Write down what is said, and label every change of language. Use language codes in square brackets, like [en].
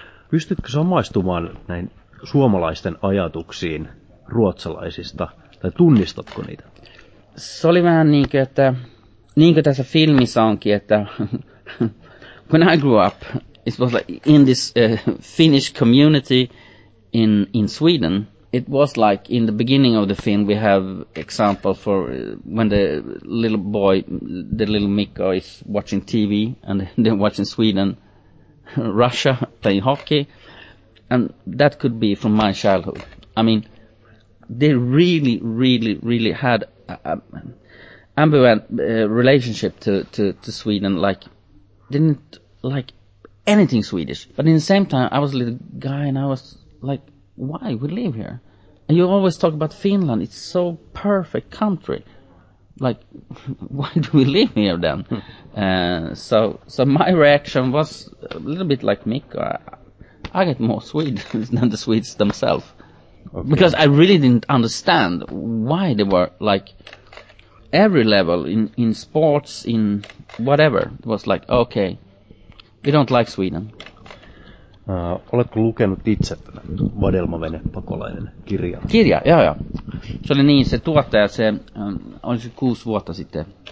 [fi] Pystytkö samaistumaan näin suomalaisten ajatuksiin ruotsalaisista tai tunnistatko niitä? Se oli vähän niin kuin, että niin kuin tässä filmissä onkin, että [en] when I grew up, it was like in this Finnish community in Sweden. It was like in the beginning of the film, we have example for when the little boy, the little Mikko is watching TV and they're watching Sweden, Russia playing hockey. And that could be from my childhood. I mean, they really, really, really had an ambivalent relationship to Sweden. Like, didn't like anything Swedish. But in the same time, I was a little guy and I was like, why we live here? And you always talk about Finland. It's so perfect country. Like, why do we live here then? So my reaction was a little bit like Mikko. I get more Swedes than the Swedes themselves. Okay. Because I really didn't understand why they were like, every level in sports, in whatever, was like, okay, we don't like Sweden. [fi] Oletko lukenut itse tämän Vadelmavene pakolainen kirjan? Kirja, joo. Se oli niin, se tuottaja, se oli se 6 vuotta sitten.